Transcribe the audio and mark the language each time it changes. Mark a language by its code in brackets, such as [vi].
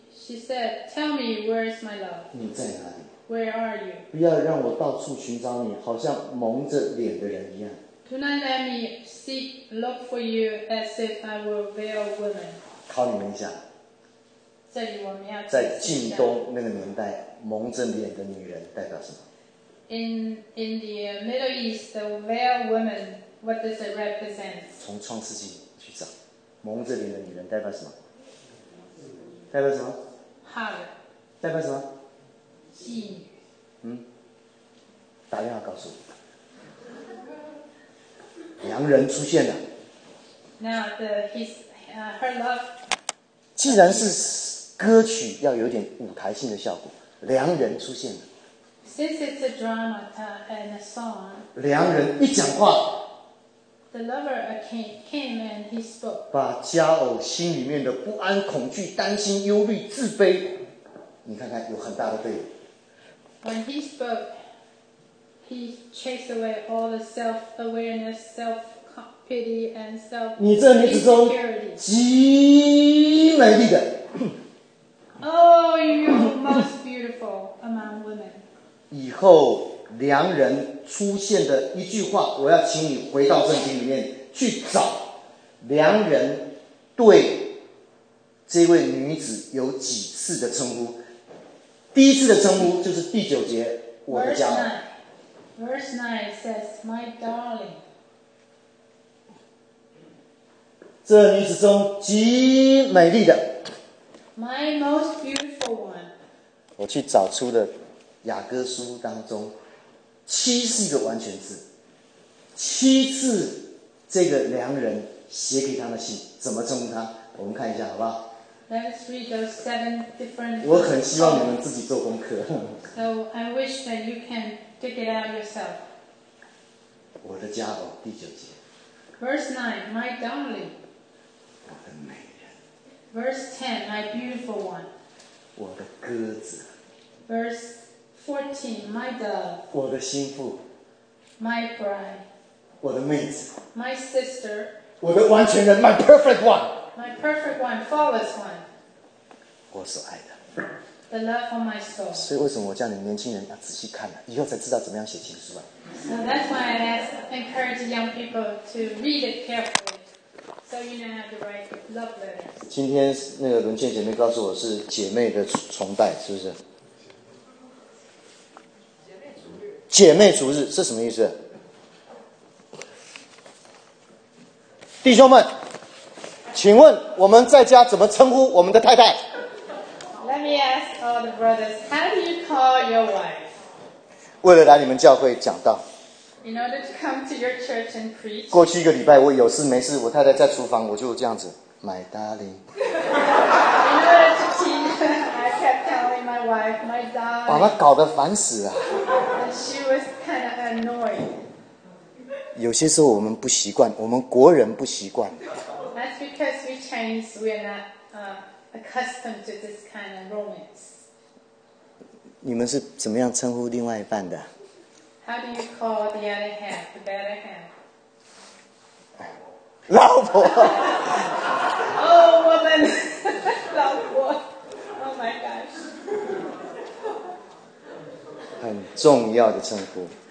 [en] She said, tell me where is my love? [zh] 你在哪里 [en] Where are you? [zh] 不要让我到处寻找你，好像蒙着脸的人一样。 [en] Do not let me seek, look for you as if I were a veiled woman. [zh] 考你们一下。这里我们要在近东那个年代蒙着脸的女人代表什么 [en] in the Middle East the veiled woman what does it represent [zh] 从创世纪去找蒙着脸的女人代表什么代表什么 [en] Harlot [zh] 代表什么妓女打电话告诉我良人出现了 [en] now the, his,、her love [zh] 既然是歌曲要有点舞台性的效果良人出现了 [en] Since it's a drama and a song [zh] 良人一讲话 [en] The lover came and he spoke [zh] 把佳偶心里面的不安恐惧担心忧虑自卑你看看有很大的对比 [en] When he spoke he chased away all the self-awareness self-pity and self-insecurity [zh] 你这女子中极美丽的 [en] Oh, you're most beautiful among women. [zh] 以后良人出现的一句话，我要请你回到圣经里面去找良人对这位女子有几次的称呼。第一次的称呼就是第九节，我的佳偶。 [en] Verse 9 says, "My darling." [zh] 这女子中极美丽的。 [en] My most beautiful one. [zh] 我去找出了雅歌书当中七是一个完全字七次这个良人写给他的信怎么称呼他我们看一下好不好 [en] Let's read those seven different [zh] 我很希望你们自己做功课 [en] So I wish that you can dig it out yourself [zh] 我的佳偶第九节 [en] Verse 9 My darling [zh] 我的美 [en] Verse 10, my beautiful one. [zh] 我的鸽子。 [en] Verse 14, my dove. [zh] 我的心腹。 [en] My bride. [zh] 我的妹子。 [en] My sister. [zh] 我的完全人 [en] my perfect one. My perfect one, flawless one. [zh] 我所爱的。 [en] The love of my soul. [zh] 所以为什么我叫你年轻人要仔细看呢、啊？以后才知道怎么样写情书啊。 [en] So that's why I encourage young people to read it carefully. So you know, have the right love letters. [zh] 今天那个伦倩姐妹告诉我是姐妹的崇拜，是不是？姐妹逐日是什么意思？弟兄们，请问我们在家怎么称呼我们的太太 [en] ？Let me ask all the brothers, how do you call your wife? [zh] 为了来你们教会讲道。 [en] In order to come to your church and preach. [zh] 过去一个礼拜，我有事没事，我太太在厨房，我就这样子 ， [en] My darling. In order to teach, I kept telling my wife, my darling. [zh] 把她搞得烦死啊 [en] And she was kind of annoyed. [zh] 有些时候我们不习惯，我们国人不习惯。 [en] That's because we Chinese we are not accustomed to this kind of romance. [zh] 你们是怎么样称呼另外一半的？ [en] How do you call the other half, the better half? [zh] 老婆。 [en] Oh, woman. [zh] 老婆。 [en] Oh my gosh. [zh] 很重要的称呼。